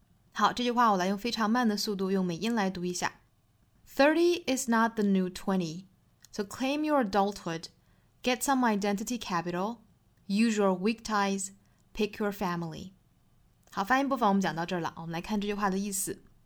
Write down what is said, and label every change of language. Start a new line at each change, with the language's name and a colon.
Chinese: 好，这句话我来用非常慢的速度用美音来读一下。
English: 30 is not the new 20, so claim your adulthood, get some identity capital, use your weak ties, pick your family.
Chinese: 好，发音部分我们讲到这儿了，我们来看这句话的意思。